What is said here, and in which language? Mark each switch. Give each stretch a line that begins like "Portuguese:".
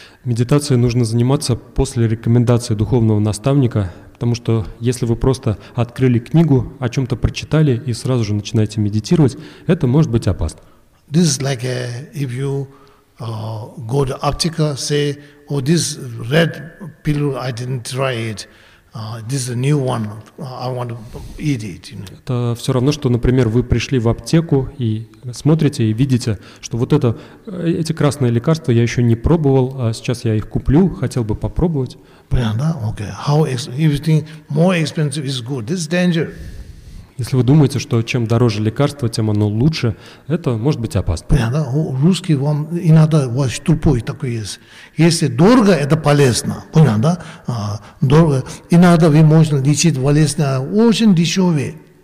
Russian: Медитацией нужно заниматься после рекомендации духовного наставника. Потому что если вы просто открыли книгу, о чем-то прочитали и сразу же начинаете медитировать, это может быть опасно.
English: This is like if you go to optica, say, oh, this red pill, I didn't try it. This is a new one. I want to eat it. You know?
Russian: Это все равно, что, например, вы пришли в аптеку и смотрите и видите, что вот это, эти красные лекарства я еще не пробовал, а сейчас я их куплю, хотел бы попробовать. Понятно, да? Okay.
English: How if you think more expensive is good, this is danger.
Russian: Если вы думаете, что чем дороже лекарство, тем оно лучше, это может быть опасно. Понятно, русский вам иногда вот тупой такой есть. Если дорого, это полезно. Понятно, да? Дорого. Иногда вы можете лечить болезнь очень дешевый.